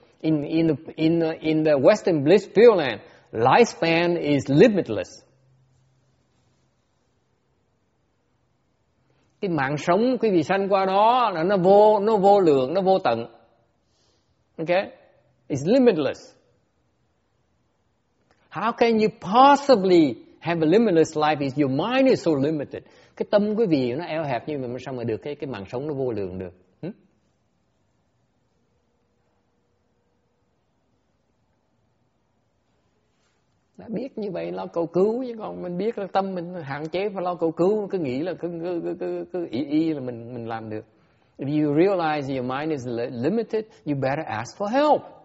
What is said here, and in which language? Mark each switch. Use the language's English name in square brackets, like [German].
[English] In the Western Bliss Pure Land, lifespan is limitless. [Vietnamese] Cái mạng sống quý vị sanh qua đó là nó vô lượng, nó vô tận. [English] Okay? It's limitless. How can you possibly have a limitless life if your mind is so limited? [Vietnamese] Cái tâm quý vị nó eo hẹp như vậy mà sao mà được cái mạng sống nó vô lượng được? Đã biết như vậy lo cầu cứu, chứ còn mình biết là tâm mình hạn chế phải lo cầu cứu, cứ nghĩ là cứ ý là mình làm được. [English] If you realize your mind is limited, you better ask for help.